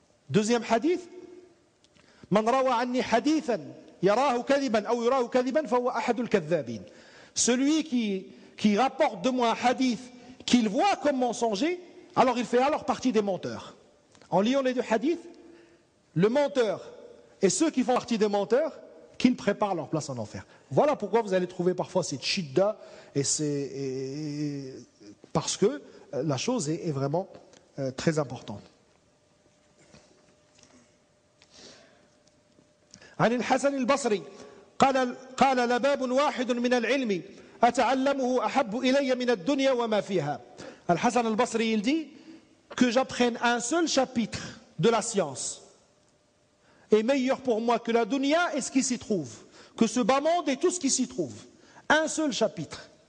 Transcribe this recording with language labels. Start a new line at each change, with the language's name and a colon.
French: Deuxième hadith,
Arabic: من روى عني حديثا يراه كذبا أو يراه كذبا فهو أحد الكذابين.
French: Celui qui rapporte de moi un hadith qu'il voit comme mensonger, alors il fait alors partie des menteurs. En liant les deux hadiths, le menteur et ceux qui font partie des menteurs, qu'ils préparent leur place en enfer. Voilà pourquoi vous allez trouver parfois cette shidda et c'est parce que la chose est vraiment très importante.
Arabic: عن الحسن البصري قال قال لباب واحد من العلم أتعلمه أحب إلي من الدنيا وما فيها.
French: الحسن البصري il dit que j'apprenne un seul chapitre de la science est meilleur pour moi que la dunya et ce qui s'y trouve, que ce bas monde et tout ce qui s'y trouve. Un seul chapitre.